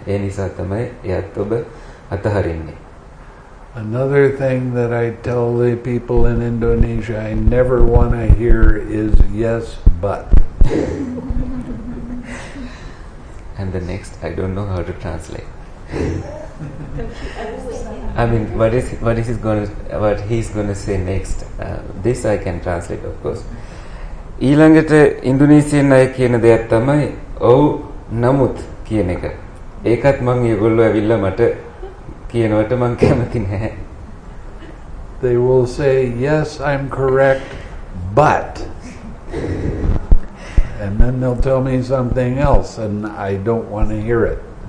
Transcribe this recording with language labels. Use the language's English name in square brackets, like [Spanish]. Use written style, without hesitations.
[Sinhala] ඒ නිසා තමයි එයත් ඔබ අතහරින්නේ. [English] Another thing that I tell the people in Indonesia I never want to hear is yes but. And the next I don't know how to translate. I mean what he's going to say next this I can translate of course [Sinhala] ඊළඟට ඉන්දුනීසියෙන් අය කියන දෙයක් තමයි ඔව් නමුත් කියන එක ඒකත් මම ඒගොල්ලෝ ඇවිල්ලා මට කියනවට මම කැමති නැහැ [English] they will say yes I'm correct but and then they'll tell me something else and I don't want to hear it